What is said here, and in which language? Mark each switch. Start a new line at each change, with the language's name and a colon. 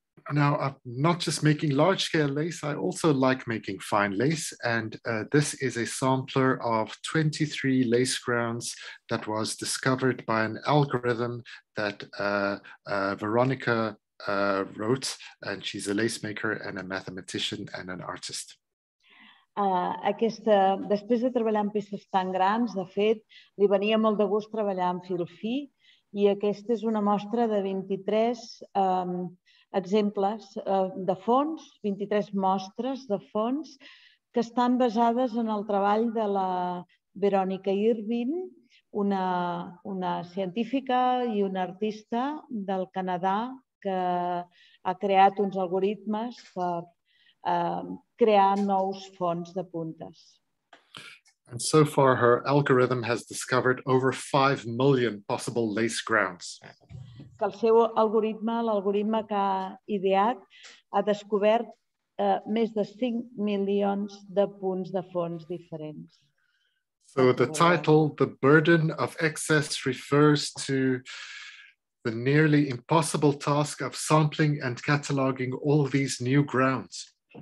English: Now, I'm not just making large-scale lace, I also like making fine lace, and this is a sampler of 23 lace grounds that was discovered by an algorithm that Veronica wrote, and she's a lace maker and a mathematician and an artist.
Catalan: Aquesta, després de treballar amb peces tan grans, de fet, li venia molt de gust treballar amb fil fi, i aquesta és una mostra de 23... exemples de fons, 23 mostres de fons que estan basades en el treball de la Verònica Irvin, una científica i una artista del Canadà que ha creat uns algoritmes per crear nous fons de puntes.
English: And so far her algorithm has discovered over 5 million possible lace grounds.
Catalan: Que el seu algoritme, l'algoritme que ha ideat, ha descobert més de 5 milions de punts de fons diferents.
English: So the title, The Burden of Excess, refers to the nearly impossible task of sampling and cataloging all these new grounds.